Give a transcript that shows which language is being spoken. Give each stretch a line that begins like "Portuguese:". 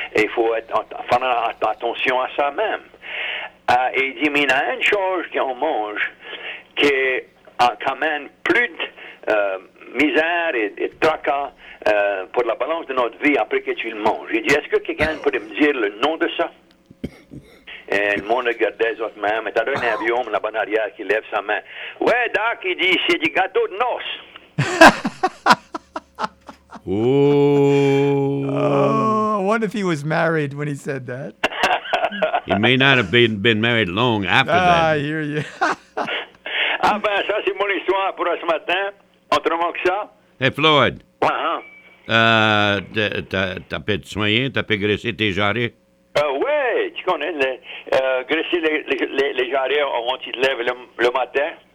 French: Et il faut faire attention à ça même. Et il dit, mais il y a une chose qu'on mange qui amène plus de misère et de tracas pour la balance de notre vie après que tu le manges. Il dit, est-ce que quelqu'un pourrait me dire le nom de ça? Et le monde regardait les autres mains, mais t'as un avion là-bas en arrière qui lève sa main. Ouais, Doc, il dit, c'est du gâteau de noces. Oh,
English: I wonder if he was married when he said that. He may not have been married long after that. I hear you.
French: Ah ben, ça c'est mon histoire pour ce matin. Autrement que ça.
English: Hey, Floyd. Uh-huh.
French: T'as pu te soigner, t'as pu graisser tes jarrets? Ouais, tu connais, graisser les jarrets avant qu'ils te lèvent le matin.